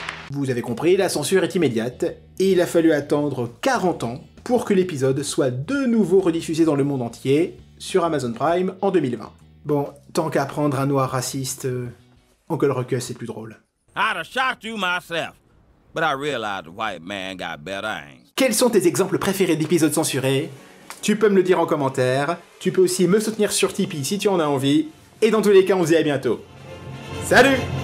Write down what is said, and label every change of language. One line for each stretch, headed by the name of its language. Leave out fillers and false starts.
French: Vous avez compris, la censure est immédiate, et il a fallu attendre 40 ans pour que l'épisode soit de nouveau rediffusé dans le monde entier, sur Amazon Prime, en 2020. Bon, tant qu'à prendre un noir raciste, Uncle Ruckus est plus drôle.
English: I'd have shot you myself, but I realized white man got better aims.
French: Quels sont tes exemples préférés d'épisodes censurés? Tu peux me le dire en commentaire, tu peux aussi me soutenir sur Tipeee si tu en as envie, et dans tous les cas, on se dit à bientôt. Salut!